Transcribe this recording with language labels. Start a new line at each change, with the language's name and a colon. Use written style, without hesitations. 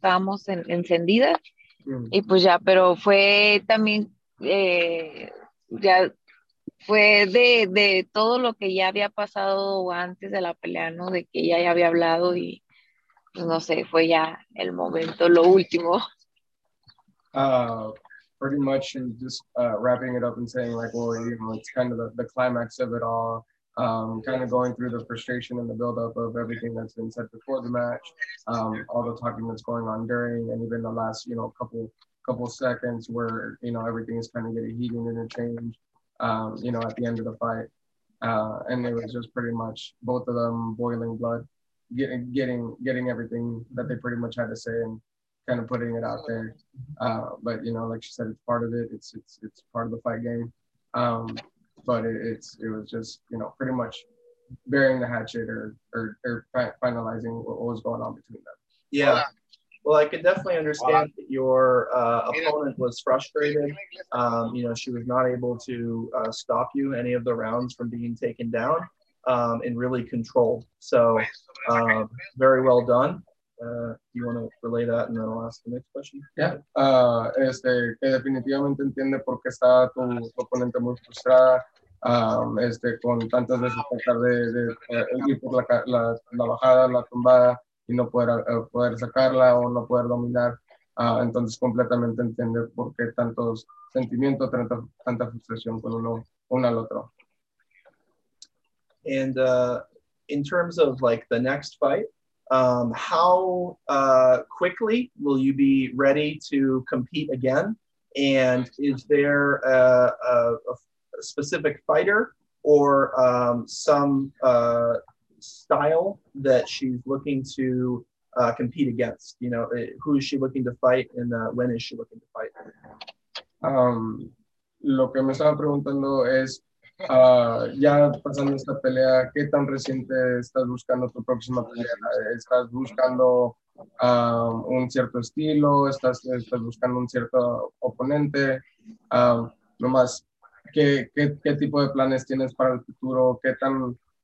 Spanish: Estábamos encendidas y pues ya, pero fue también, ya fue de todo lo que ya había pasado antes de la pelea, ¿no? De que ella ya había hablado y no sé, fue ya el momento, lo último.
English: Pretty much just wrapping it up and saying like, well, you know, it's kind of the climax of it all, kind of going through the frustration and the buildup of everything that's been said before the match, all the talking that's going on during, and even the last, you know, couple seconds where, you know, everything is kind of getting heated and changed, you know, at the end of the fight. And it was just pretty much both of them boiling blood, getting everything that they pretty much had to say and kind of putting it out there. But you know, like she said, it's part of it. It's part of the fight game. But it was just, you know, pretty much burying the hatchet or finalizing what was going on between them. Yeah. Well, I could definitely understand that your opponent was frustrated. You know, she was not able to stop you any of the rounds from being taken down. And really controlled. So, very well done. You want to relay that, and then I'll ask the next question. Yeah.
Spanish: Que definitivamente entiende por qué está tu oponente muy frustrada. Con tantas veces tratar de ir por la bajada, la tumbada y no poder sacarla o no poder dominar. Entonces, completamente entiende por qué tantos sentimientos, tanta frustración con uno al otro.
English: And in terms of like the next fight, how quickly will you be ready to compete again? And is there a specific fighter or some style that she's looking to compete against? You know, who is she looking to fight and when is she looking to fight?
Spanish: Lo que me estaba preguntando es, ya pasando esta pelea, ¿qué tan reciente estás buscando tu próxima pelea? ¿Estás buscando un cierto estilo? ¿Estás buscando un cierto oponente? Nomás, ¿qué tipo de planes tienes para el futuro? ¿Qué tan